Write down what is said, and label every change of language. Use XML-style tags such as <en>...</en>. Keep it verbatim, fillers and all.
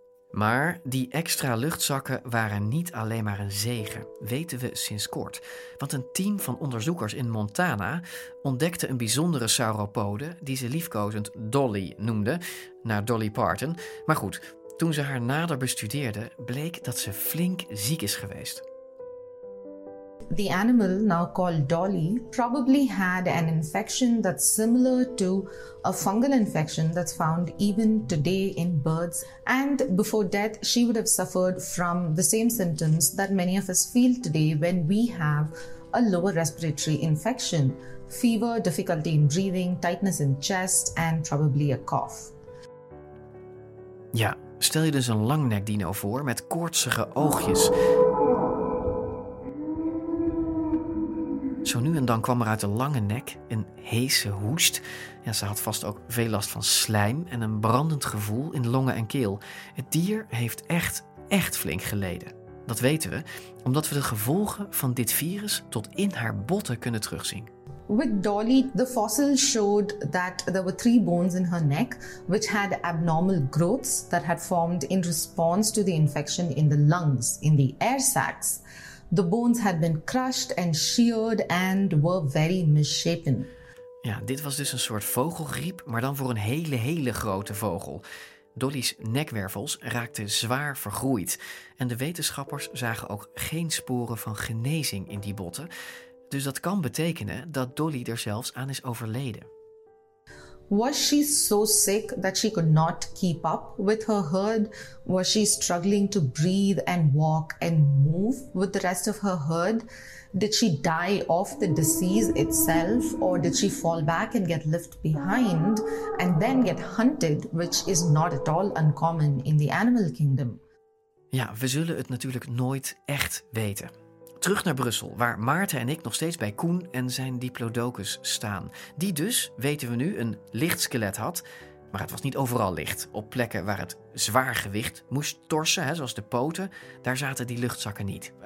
<nl>Maar die extra luchtzakken waren niet alleen maar een zegen, weten we sinds kort. Want een team van onderzoekers in Montana ontdekte een bijzondere sauropode die ze liefkozend Dolly noemden, naar Dolly Parton. Maar goed, toen ze haar nader bestudeerden, bleek dat ze flink ziek is geweest.</nl> <en>The animal, now called Dolly, probably had an infection that's similar to a fungal infection that's found even today in birds. And before death, she would have suffered from the same symptoms that many of us feel today when we have a lower respiratory infection: fever, difficulty in breathing, tightness in chest, and probably a cough.</en> <nl>Ja, stel je dus een langnekdino voor met koortsige oogjes. Zo nu en dan kwam er uit de lange nek een heese hoest. Ja, ze had vast ook veel last van slijm en een brandend gevoel in longen en keel. Het dier heeft echt, echt flink geleden. Dat weten we, omdat we de gevolgen van dit virus tot in haar botten kunnen terugzien.</nl> <en>With Dolly, the fossil showed that there were three bones in her neck, which had abnormal growths that had formed in response to the infection in the lungs, in the air sacs. The bones had been crushed and sheared and were very misshapen.</en> <nl>Ja, dit was dus een soort vogelgriep, maar dan voor een hele, hele grote vogel. Dolly's nekwervels raakten zwaar vergroeid. En de wetenschappers zagen ook geen sporen van genezing in die botten. Dus dat kan betekenen dat Dolly er zelfs aan is overleden.</nl> <en>Was she so sick that she could not keep up with her herd? Was she struggling to breathe and walk and move with the rest of her herd? Did she die of the disease itself, or did she fall back and get left behind and then get hunted, which is not at all uncommon in the animal kingdom?</en> <nl>Ja, we zullen het natuurlijk nooit echt weten. Terug naar Brussel, waar Maarten en ik nog steeds bij Koen en zijn diplodocus staan. Die dus, weten we nu, een licht skelet had. Maar het was niet overal licht. Op plekken waar het zwaar gewicht moest torsen, hè, zoals de poten, daar zaten die luchtzakken niet.</nl>